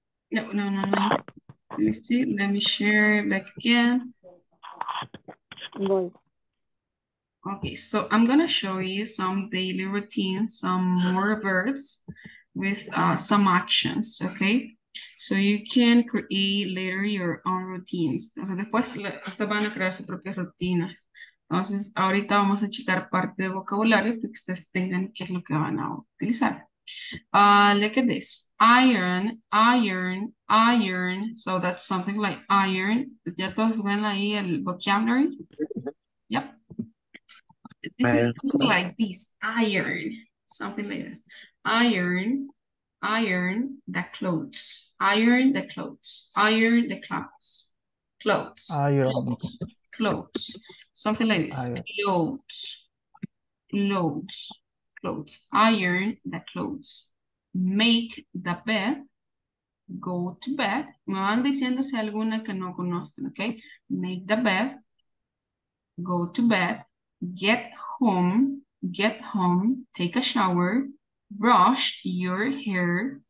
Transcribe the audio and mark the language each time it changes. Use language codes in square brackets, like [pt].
[en] No. Let me share it back again. Okay, so I'm gonna show you some daily routines, some more verbs with some actions, okay? So you can create later your own routines. [es] Entonces después ustedes van a crear sus propias rutinas. Entonces ahorita vamos a checar parte del vocabulario para que ustedes tengan qué es lo que van a utilizar. [en] Look at this. Iron. So that's something like iron. [es] ¿Ya todos ven ahí el vocabulary? [en] Yep. This is something like this, iron, something like this. Iron the clothes. Something like this. Clothes. Iron the clothes. Make the bed. Go to bed. [es] Me van diciendo si alguna que no conocen, okay? [en] Make the bed. Go to bed. Get home, take a shower, brush your hair.